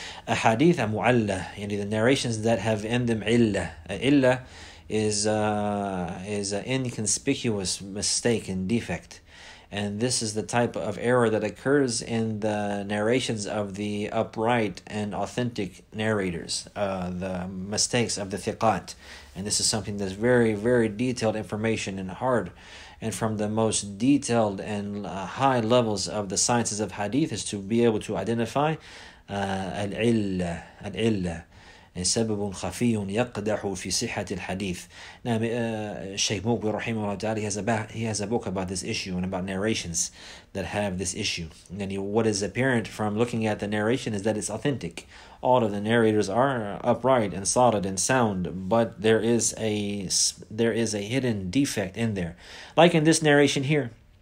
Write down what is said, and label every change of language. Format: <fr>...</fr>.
<en>A hadith mu'alla, and the narrations that have in them illa is an inconspicuous mistake and defect, and this is the type of error that occurs in the narrations of the upright and authentic narrators, the mistakes of the thiqat. And this is something that's very, very detailed information and hard, and from the most detailed and high levels of the sciences of hadith is to be able to identify al-illa.</en> <ar>سبب خفي يقدح في صحة الحديث.</ar> <en>Now, Sheikh Mukbir rahimahullah ta'ala, he has a book about this issue and about narrations that have this issue. And what is apparent from looking at the narration is that it's authentic. All of the narrators are upright and solid and sound, but there is a hidden defect in there, like in this narration here.</en>